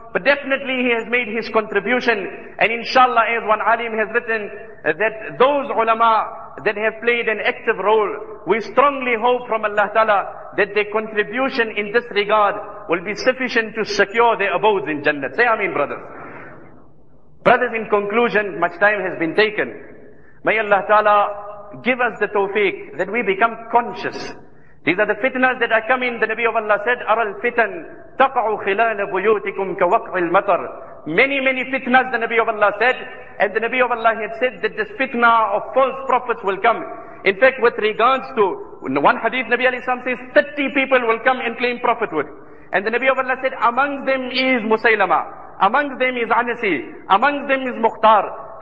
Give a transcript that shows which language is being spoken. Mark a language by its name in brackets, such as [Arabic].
[English] But definitely he has made his contribution, and inshallah, as one alim has written, that those ulama that have played an active role, we strongly hope from Allah Ta'ala that their contribution in this regard will be sufficient to secure their abodes in Jannah. Say Ameen, brothers. Brothers, in conclusion, much time has been taken. May Allah Ta'ala give us the tawfiq that we become conscious. These are the fitnas that are coming. The Nabi of Allah said, [Arabic] أَرَى الْفِتَنْ تَقَعُ خِلَالَ بُيُوتِكُمْ كَوَقْعِ الْمَطَرِ. [English] Many, many fitnas, the Nabi of Allah said. And the Nabi of Allah had said that this fitna of false prophets will come. In fact, with regards to one hadith, Nabi alayhi salam says, 30 people will come and claim prophethood. And the Nabi of Allah said, among them is Musaylama, among them is Anasi, among them is Mukhtar.